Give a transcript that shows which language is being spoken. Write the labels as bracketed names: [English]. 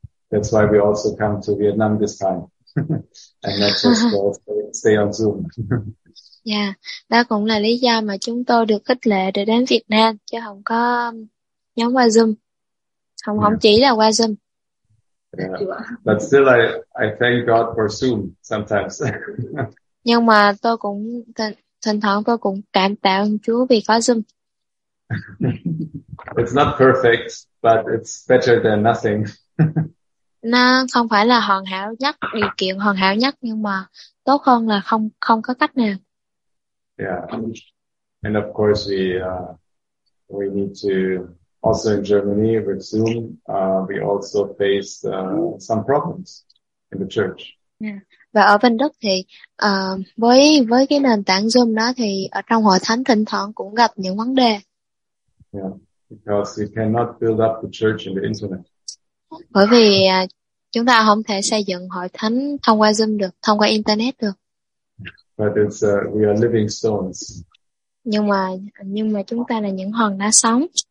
[English] That's why we also come to Vietnam this time and not just stay on Zoom. [Vietnamese] Yeah, đó cũng là lý do mà chúng tôi được khích lệ để đến Việt Nam chứ không có nhóm qua Zoom. Không yeah. Không chỉ là qua Zoom. [English] Yeah. But still I thank God for Zoom sometimes. [Vietnamese] Nhưng mà tôi cũng thỉnh thoảng tôi cũng cảm tạ ơn Chúa vì có Zoom. [English] It's not perfect, but it's better than nothing. [Vietnamese] Nó không phải là hoàn hảo nhất, điều kiện hoàn hảo nhất, nhưng mà tốt hơn là không không có cách nào. [English] Yeah, and of course we need to also in Germany with Zoom we also face some problems in the church. Yeah. [Vietnamese] Và ở bên Đức thì với cái nền tảng Zoom đó thì ở trong hội thánh thỉnh thoảng cũng gặp những vấn đề. [English] Yeah, because you cannot build up the church in the internet. [Vietnamese] Bởi vì chúng ta không thể xây dựng hội thánh thông qua Zoom được, thông qua internet được. [English] But it's we are living stones. [Vietnamese] Nhưng mà chúng ta là những hòn đá sống.